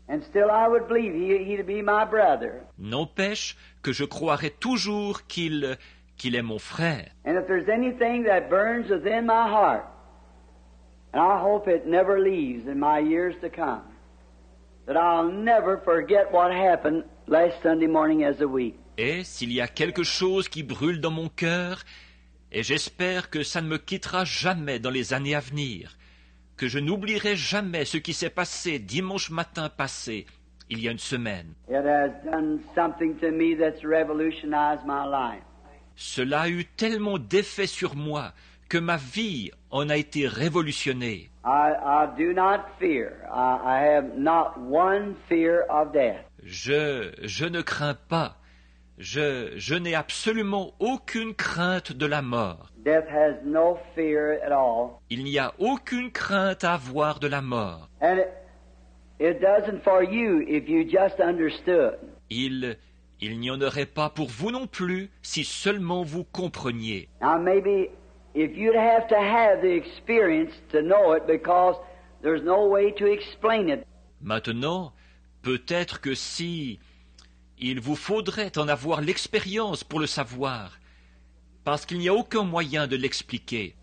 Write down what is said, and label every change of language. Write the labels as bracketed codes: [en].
[en] And still I would believe he'd be my brother. [fr] N'empêche que je croirais toujours qu'il est mon frère. [en] And if there's anything that burns within my heart, and I hope it never leaves in my years to come, that I'll never forget what happened last Sunday morning as a week. [fr] Et s'il y a quelque chose qui brûle dans mon cœur, et j'espère que ça ne me quittera jamais dans les années à venir, que je n'oublierai jamais ce qui s'est passé dimanche matin passé, il y a une semaine. [en] It has done something to me that's revolutionized my life. [fr] Cela a eu tellement d'effet sur moi que ma vie en a été révolutionnée. [en] I do not fear. I have not one fear of death. [fr] Je ne crains pas. Je n'ai absolument aucune crainte de la mort. [en] Death has no fear at all. [fr] Il n'y a aucune crainte à avoir de la mort. [en] And it doesn't for you if you just understood. [fr] Il n'y en aurait pas pour vous non plus si seulement vous compreniez. [en] Now maybe if you'd have to have the experience to know it because there's no way to explain it. [fr] Maintenant, peut-être que si... Il vous faudrait en avoir l'expérience pour le savoir, parce qu'il n'y a aucun moyen de l'expliquer.